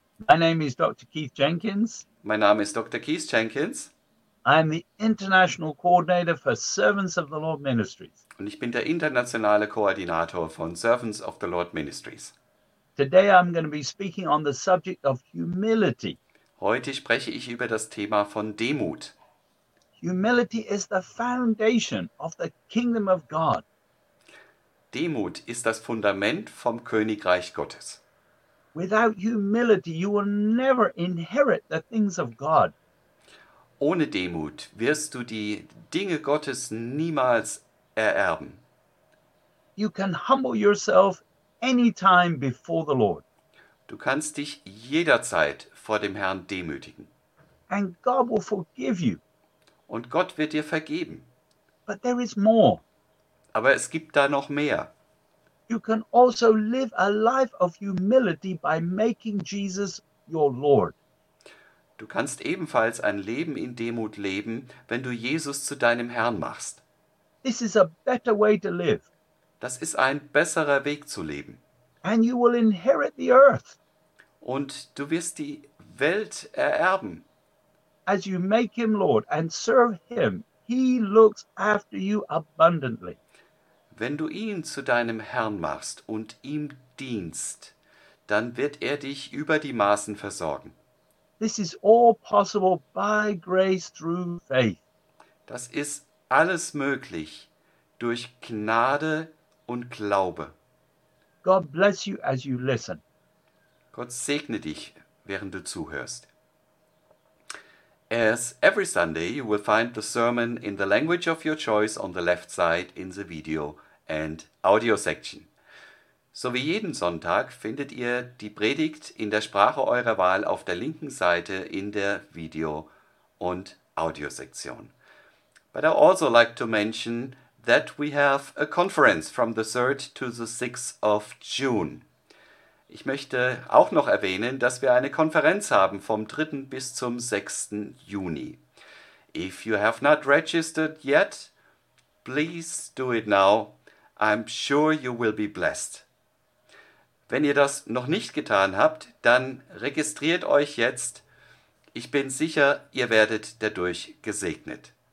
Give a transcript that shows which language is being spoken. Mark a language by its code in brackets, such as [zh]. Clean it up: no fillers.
[en] My name is Dr. Keith Jenkins. [de] Mein Name ist Dr. Keith Jenkins. [en] I am the International Coordinator for Servants of the Lord Ministries. [de] Und ich bin der internationale Koordinator von Servants of the Lord Ministries. [en] Today I'm going to be speaking on the subject of humility. [de] Heute spreche ich über das Thema von Demut. [en] Humility is the foundation of the kingdom of God. [de] Demut ist das Fundament vom Königreich Gottes. [en] Without humility, you will never inherit the things of God. [de] Ohne Demut wirst du die Dinge Gottes niemals ererben. [en] You can humble yourself anytime before the Lord. [de] Du kannst dich jederzeit vor dem Herrn demütigen. [en] And God will forgive you. [de] Und Gott wird dir vergeben. [en] But there is more. [de] Aber es gibt da noch mehr. [en] You can also live a life of humility by making Jesus your Lord. [de] Du kannst ebenfalls ein Leben in Demut leben, wenn du Jesus zu deinem Herrn machst. [en] This is a better way to live. [de] Das ist ein besserer Weg zu leben. [en] And you will inherit the earth. [de] Und du wirst die Welt ererben. [en] As you make him Lord and serve him, he looks after you abundantly. [de] Wenn du ihn zu deinem Herrn machst und ihm dienst, dann wird er dich über die Maßen versorgen. [en] This is all possible by grace through faith. [de] Das ist alles möglich durch Gnade und Glaube. [en] God bless you as you listen. [de] Gott segne dich, während du zuhörst. [en] As every Sunday, you will find the sermon in the language of your choice on the left side in the video and audio section. [de] So wie jeden Sonntag findet ihr die Predigt in der Sprache eurer Wahl auf der linken Seite in der Video- und Audio-Sektion. [en] But I also like to mention that we have a conference from the 3rd to the 6th of June. [de] Ich möchte auch noch erwähnen, dass wir eine Konferenz haben vom 3. bis zum 6. Juni. [en] If you have not registered yet, please do it now. I'm sure you will be blessed. [de] Wenn ihr das noch nicht getan habt, dann registriert euch jetzt. Ich bin sicher, ihr werdet dadurch gesegnet.